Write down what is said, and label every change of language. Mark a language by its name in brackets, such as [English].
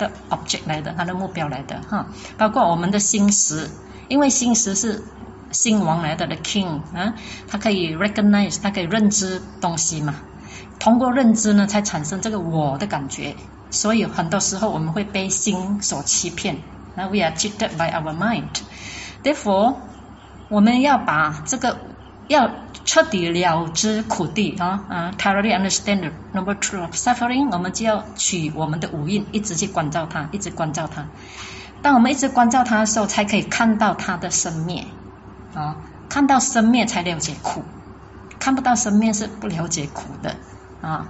[Chinese] object 来的，它的目标来的哈，包括我们的心识，因为心识是心王来的 ， [English] the king [Chinese] 啊，它可以 recognize， 它可以认知东西嘛。通过认知呢才产生这个我的感觉，所以很多时候我们会被心所欺骗。 [English] Now we are cheated by our mind. Therefore, [Chinese] 我们要把这个要彻底了知苦谛啊， [English] thoroughly understand the noble truth of suffering， [Chinese] 我们就要取我们的五蕴，一直去关照它，一直关照它。当我们一直关照它的时候，才可以看到它的生灭啊，看到生灭才了解苦，看不到生灭是不了解苦的啊。